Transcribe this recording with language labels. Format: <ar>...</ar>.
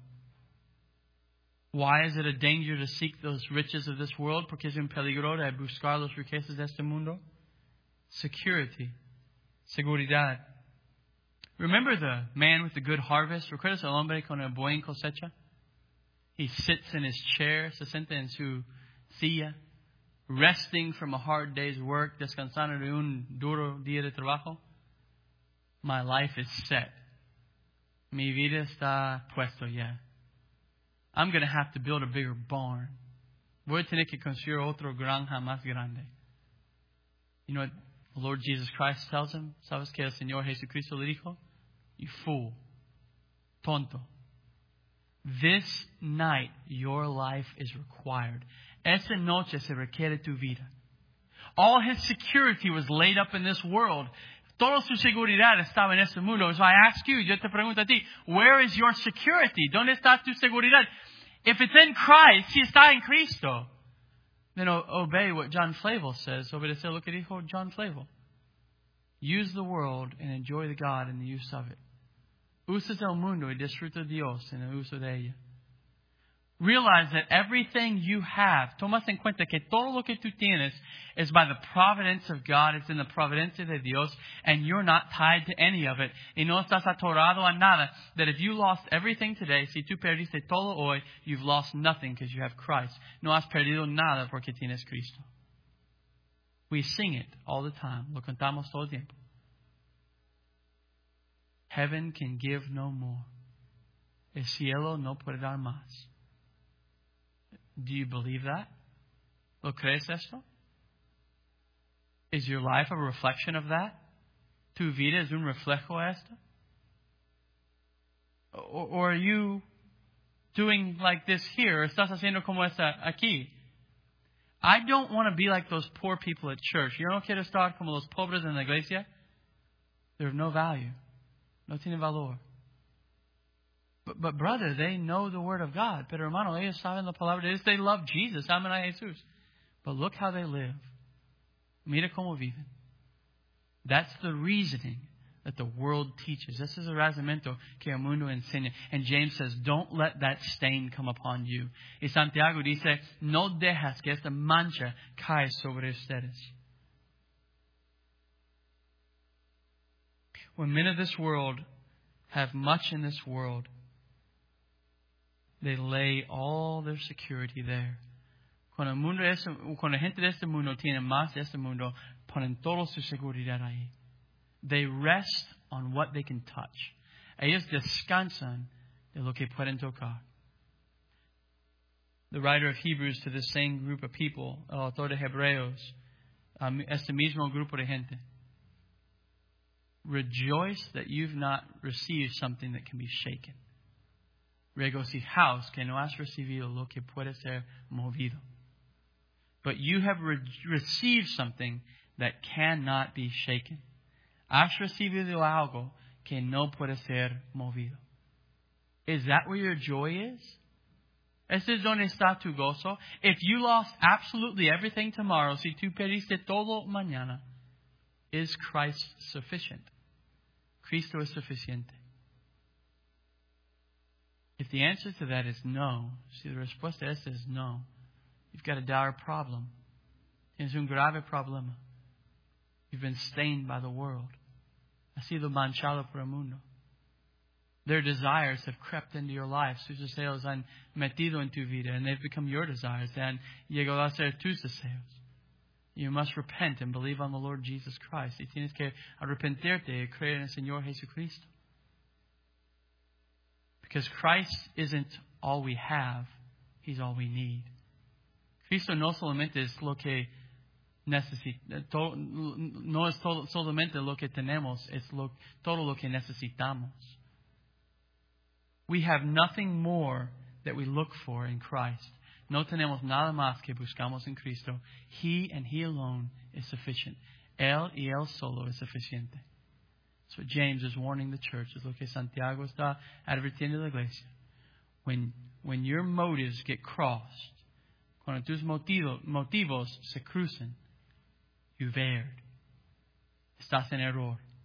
<es>Número cuatro.</es> <en>Why is it a danger to seek those riches of this world?</en> <es>Porque es un peligro de buscar los riquezas de este mundo.</es> <en>Security.</en> <es>Seguridad.</es> <en>Remember the man with the good harvest?</en> <es>¿Recuerdas el hombre con la buena cosecha?</es> <en>He sits in his chair,</en> <es>se sienta en su silla,</es> <en>resting from a hard day's work,</en> <es>descansando de un duro día de trabajo.</es> <en>My life is set.</en> <es>Mi vida está puesto ya.</es> <en>I'm going to have to build a bigger barn.</en> <es>Voy a tener que construir otra granja más grande.</es> <en>You know what the Lord Jesus Christ tells him?</en> <es>¿Sabes qué el Señor Jesucristo le dijo?</es> <en>You fool.</en> <es>Tonto.</es> <en>This night, your life is required.</en> <es>Esa noche se requiere tu vida.</es> <en>All his security was laid up in this world.</en> <es>Toda su seguridad estaba en este mundo.</es> <en>So I ask you,</en> <es>yo te pregunto a ti,</es> <en>where is your security?</en> <es>¿Dónde está tu seguridad?</es> <en>If it's in Christ,</en> <es>si está en Cristo,</es> <en>then obey what John Flavel says.</en> <es>Obedecer lo que dijo John Flavel.</es> <en>Use the world and enjoy the God in the use of it.</en> <es>Usa el mundo y disfruta Dios en el uso de ella.</es> <en>Realize that everything you have,</en> <es>toma en cuenta que todo lo que tú tienes</es> <en>is by the providence of God, it's in the</en> <es>providencia de Dios,</es> <en>and you're not tied to any of it.</en> <es>Y no estás atorado a nada.</es> <en>That if you lost everything today,</en> <es>si tú perdiste todo hoy,</es> <en>you've lost nothing because you have Christ.</en> <es>No has perdido nada porque tienes Cristo.</es> <en>We sing it all the time.</en> <es>Lo cantamos todo el tiempo.</es> <en>Heaven can give no more.</en> <es>El cielo no puede dar más.</es> <en>Do you believe that?</en> <es>¿Lo crees esto?</es> <en>Is your life a reflection of that?</en> <es>¿Tu vida es un reflejo a esto?</es> <en>Or are you doing like this here?</en> <es>¿Estás haciendo como esta aquí?</es> <en>I don't want to be like those poor people at church.</en> <es>¿Yo no quiero estar como los pobres en la iglesia?</es> <en>They're of no value.</en> <es>No tiene valor.</es> <en>But brother, they know the word of God.</en> <es>Pero hermano, ellos saben la palabra de Dios.</es> <en>They love Jesus.</en> <es>Amen a Jesús.</es> <en>But look how they live.</en> <es>Mira cómo viven.</es> <en>That's the reasoning that the world teaches. This is a</en> <es>razonamiento que el mundo enseña.</es> <en>And James says, don't let that stain come upon you.</en> <es>Y Santiago dice, no dejas que esta mancha caiga sobre ustedes.</es> <en>When men of this world have much in this world, they lay all their security there.</en> <es>Cuando gente de este mundo tiene más de este mundo, ponen toda su seguridad ahí.</es> <en>They rest on what they can touch.</en> <es>Ellos descansan de lo que pueden tocar.</es> <en>The writer of Hebrews to the same group of people,</en> <es>el autor de Hebreos, este mismo grupo de gente,</es> <en>rejoice that you've not received something that can be shaken.</en> <es>Regocijaos que no has recibido lo que puede ser movido.</es> <en>But you have received something that cannot be shaken.</en> <es>Has recibido algo que no puede ser movido.</es> <en>Is that where your joy is?</en> <es>¿Ese es donde está tu gozo?</es> <en>If you lost absolutely everything tomorrow,</en> <es>si tú perdiste todo mañana,</es> <en>is Christ sufficient?</en> <es>Cristo es suficiente.</es> <en>If the answer to that is no,</en> <es>si la respuesta a esa es no,</es> <en>you've got a dire problem.</en> <es>Tienes un grave problema.</es> <en>You've been stained by the world.</en> <es>Has sido manchado por el mundo.</es> <en>Their desires have crept into your life.</en> <es>Sus deseos han metido en tu vida,</es> <en>and they've become your desires.</en> <es>Han llegado a ser tus deseos.</es> <en>You must repent and believe on the Lord Jesus Christ.</en> <es>Y tienes que arrepentirte y creer en el Señor Jesucristo.</es> <en>Because Christ isn't all we have, He's all we need.</en> <es>Cristo no solamente es lo que tenemos, es todo lo que necesitamos.</es> <en>We have nothing more that we look for in Christ.</en> <es>No tenemos nada más que buscamos en Cristo.</es> <en>He and He alone is sufficient.</en> <es>Él y Él solo es suficiente.</es> <en>That's what James is warning the church.</en> <es>Es lo que Santiago está advirtiendo la iglesia.</es> <en>When your motives get crossed,</en> <es>cuando tus motivos se crucen,</es> <en>you've erred.</en> <es>Estás en error.</es>